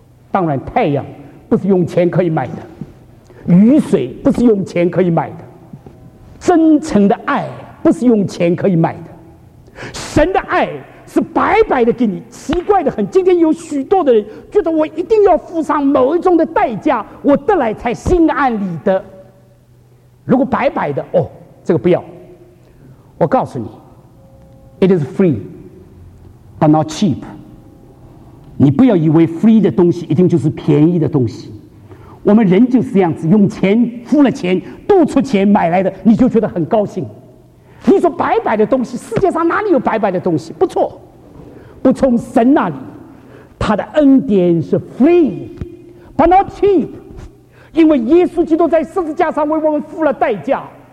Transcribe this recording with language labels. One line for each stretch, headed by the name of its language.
Chinese: 当然太阳不是用钱可以买的，雨水不是用钱可以买的，真诚的爱不是用钱可以买的，神的爱是白白的给你。奇怪的很，今天有许多的人觉得我一定要付上某一种的代价我得来才心安理得。如果白白的，哦，这个不要。
English: 我告诉你， It is free but not cheap。
Chinese: 你不要以为 free 的东西一定就是便宜的东西。我们人就是这样子，用钱付了钱，多出钱买来的，你就觉得很高兴。你说白白的东西，世界上哪里有白白的东西？不错，不从神那里，他的恩典是
English: free but not cheap，
Chinese: 因为耶稣基督在十字架上为我们付了代价。